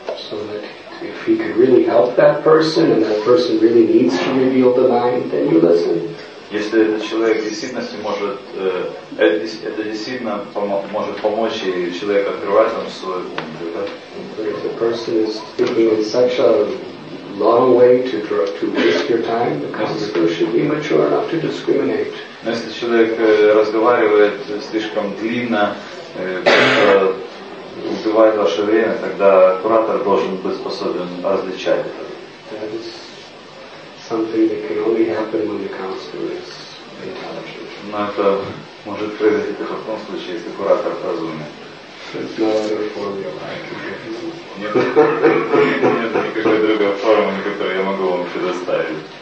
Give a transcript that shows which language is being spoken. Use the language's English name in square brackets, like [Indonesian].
[English] So that if he could really help that person, and that person really needs to reveal the mind, then you listen. [Russian] Если этот человек действительно может, это действительно может помочь, и человек открывает ему свой ум, да? [English] But if the person is thinking in such a long way to waste your time, the counselor should be mature enough to discriminate. [Russian] Но если человек разговаривает слишком длинно, убивает ваше время, тогда куратор должен быть способен различать это. [English] That is something that can only happen when the counselor is intelligent. [Russian] Но это может произойти только в том случае, если куратор разумен. [English] There's no other formula I can give you. [Russian] Нет никакой другой формы, которую я могу вам предоставить.